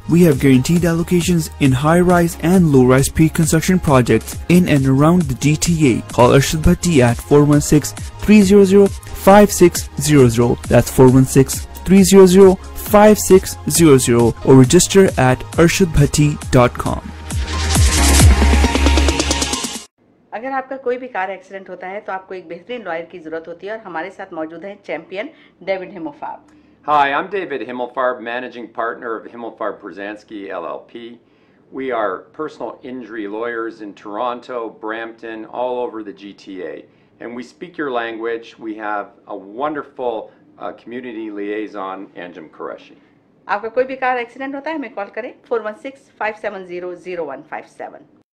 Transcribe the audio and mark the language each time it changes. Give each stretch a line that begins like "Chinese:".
English: We have guaranteed allocations in high-rise and low-rise pre-construction projects in and around the GTA. Call Arshad Bhatti at 416-300-5600. That's 416-300-5600 or register at arshadbhatti.com.
Hindi: अगर आपका कोई भी car accident होता है तो आपको एक बेहतरीन लॉयर की जरूरत होती है और हमारे साथ मौजूद हैं champion David हिमोफार्ब.
English: Hi, I'm David Himmelfarb, managing partner of Himmelfarb Prusansky LLP. We are personal injury lawyers in Toronto, Brampton, all over the GTA. And we speak your language. We have a wonderful community liaison, Anjum Qureshi.
Hindi: आपका कोई भी car accident होता है, हमें call करें 416-570-0157.